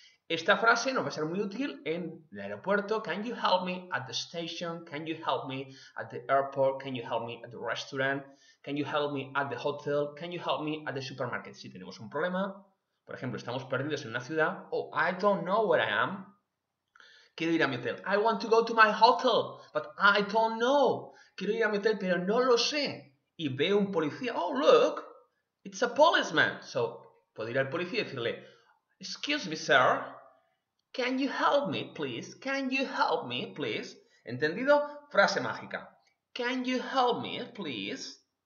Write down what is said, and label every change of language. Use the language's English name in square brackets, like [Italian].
[Spanish] Esta frase nos va a ser muy útil en el aeropuerto. [English] Can you help me at the station? Can you help me at the airport? Can you help me at the restaurant? Can you help me at the hotel? Can you help me at the supermarket? [Spanish] Si tenemos un problema, por ejemplo, estamos perdidos en una ciudad. [English] Oh, I don't know where I am. [Spanish] Quiero ir a mi hotel. [English] I want to go to my hotel, but I don't know. [Spanish] Quiero ir a mi hotel, pero no lo sé. Y veo un policía. [English] Oh, look, it's a policeman. [Spanish] So, puedo ir al policía y decirle, [English] excuse me, sir. Can you help me, please? Can you help me, please? [Spanish] ¿Entendido? Frase mágica. [English] Can you help me, please?